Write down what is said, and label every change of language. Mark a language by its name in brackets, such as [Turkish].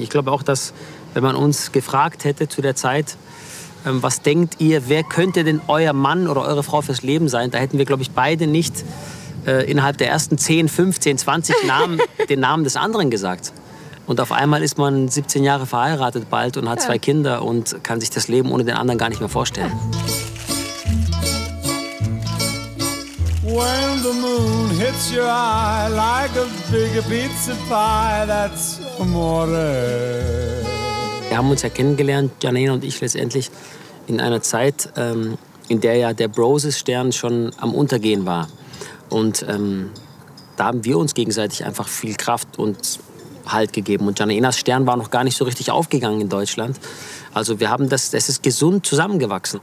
[German] Ich glaube auch, dass, wenn man uns gefragt hätte zu der Zeit, was denkt ihr, wer könnte denn euer Mann oder eure Frau fürs Leben sein? Da hätten wir, glaube ich, beide nicht innerhalb der ersten 10, 15, 20 Namen den Namen des anderen gesagt. Und auf einmal ist man 17 Jahre verheiratet bald und hat zwei Kinder und kann sich das Leben ohne den anderen gar nicht mehr vorstellen. [English] When the moon hits your eye like a big pizza pie, that's amore. [German] Wir haben uns ja kennengelernt, Janaina und ich, letztendlich in einer Zeit, in der ja der Broses-Stern schon am Untergehen war. Und da haben wir uns gegenseitig einfach viel Kraft und Halt gegeben. Und Janainas Stern war noch gar nicht so richtig aufgegangen in Deutschland. Also wir haben das ist gesund zusammengewachsen.